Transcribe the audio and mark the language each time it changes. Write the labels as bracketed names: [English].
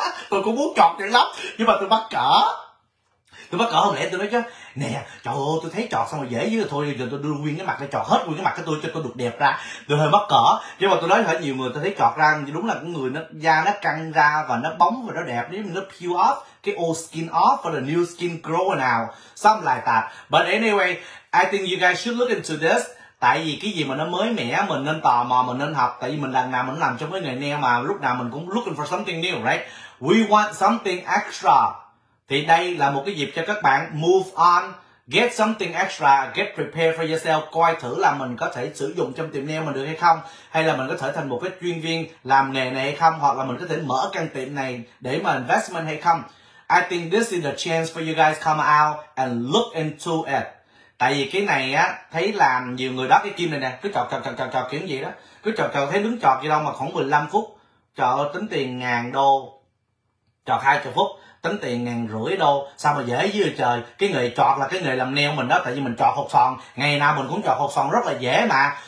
[Vietnamese] Tôi cũng muốn trọt vậy lắm, nhưng mà tôi bắt cỡ. Tôi bắt cỡ không lẽ tôi nói chứ, nè, trời ơi, tôi thấy trọt xong rồi dễ chứ, thôi giờ tôi đưa nguyên cái mặt ra, trọt hết nguyên cái mặt của tôi cho tôi được đẹp ra. Tôi hơi mắc cỡ, nhưng mà tôi nói hỏi nhiều người, tôi thấy trọt ra đúng là cái người nó da nó căng ra và nó bóng và nó đẹp, nếu mà nó peel off, cái old skin off và [English] the new skin grow [Vietnamese] nào, xong lại tạt. [English] But anyway, I think you guys should look into this. [Vietnamese] Tại vì cái gì mà nó mới mẻ mình nên tò mò, mình nên học, tại vì mình lần nào mình làm trong cái nghề nail mà lúc nào mình cũng [English] looking for something new, right? We want something extra. [Vietnamese] Thì đây là một cái dịp cho các bạn [English] move on, get something extra, get prepared for yourself, [Vietnamese] coi thử là mình có thể sử dụng trong tiệm nail mình được hay không, hay là mình có thể thành một cái chuyên viên làm nghề này hay không, hoặc là mình có thể mở căn tiệm này để mà investment hay không. [English] I think this is the chance for you guys come out and look into it. [Vietnamese] Tại vì cái này á, thấy làm nhiều người đó cái kim này nè, cứ chọt kiểu gì đó, cứ chọt thấy đứng chọt gì đâu mà khoảng 15 phút, chọt tính tiền 1000 đô, chọt 20 phút, tính tiền 1500 đô, sao mà dễ dưới trời. Cái nghề chọt là cái nghề làm nail mình đó, tại vì mình chọt hột xoàn, ngày nào mình cũng chọt hột xoàn rất là dễ mà.